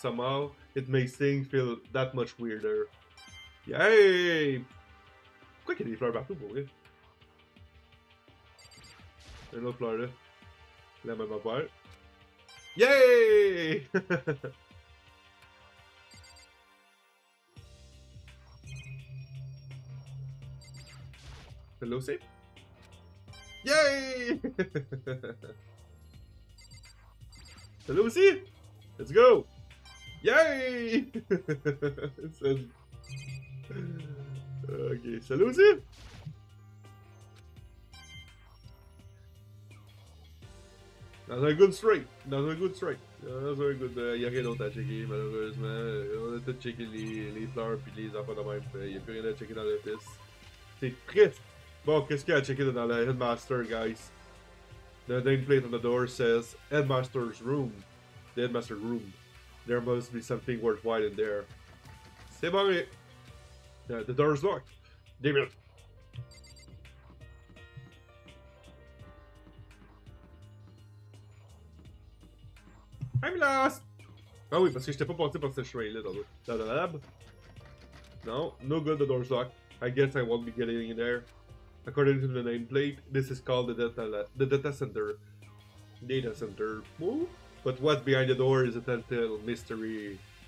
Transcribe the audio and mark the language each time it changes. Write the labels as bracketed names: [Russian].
[English] Somehow, it makes things feel that much weirder. Yay! [French] Pourquoi qu'il y a des fleurs partout pour rien? Une autre fleur là. La même affaire. Yay! [English] Hello, safe? Yay! Hello, aussi? Let's go! Yay! [French] Ok, salut aussi! Dans un good streak! Dans un good streak! Dans un good. Y'a rien d'autre à checker, malheureusement. On a tout checké les fleurs puis les enfants de même. Y'a plus rien à checker dans l'office. C'est triste! Bon, qu'est-ce qu'il y a à checker dans la headmaster, guys? [English] The nameplate on the door says Headmaster's room. The headmaster's room. There must be something worthwhile in there. [French] C'est bon, mais. [English] The door is locked. Damn it. I'm lost. [French] Ah oui, parce que j'étais pas parti par ce chemin-là dans le lab. [English] No, no good, the door's locked. I guess I won't be getting in there. According to the nameplate, this is called the data center. Data center. Woo. But what's behind the door is a telltale mystery.